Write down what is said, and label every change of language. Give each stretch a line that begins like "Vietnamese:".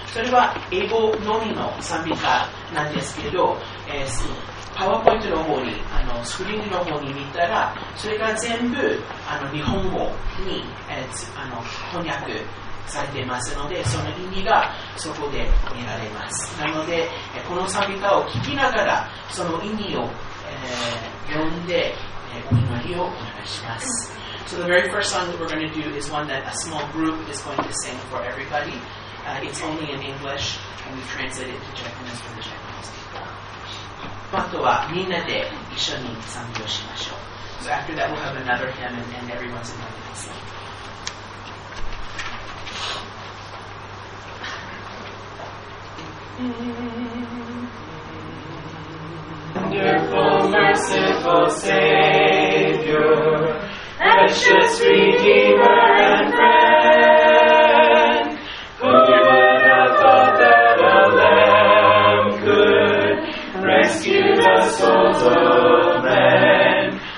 Japanese: それは英語のみの賛美歌なんですけど、パワーポイントの方にスクリーンの方に見たら、それが全部日本語に、翻訳。されていますのでその意味がそこで見られます。なのでこの賛美歌を聞きながらその意味を、読んで、お祈りをお願いします。
English: So the very first song that we're going to do is one that a small group is going to sing for everybody、it's only in English and we translate it to Japanese for the Japanese people.
Japanese: あとはみんなで一緒に賛美をしましょう。
English: So after that we'll have another hymn and everyone's in the room. Wonderful, merciful Savior, precious Redeemer and Friend, who would have thought that a Lamb could rescue the souls of men?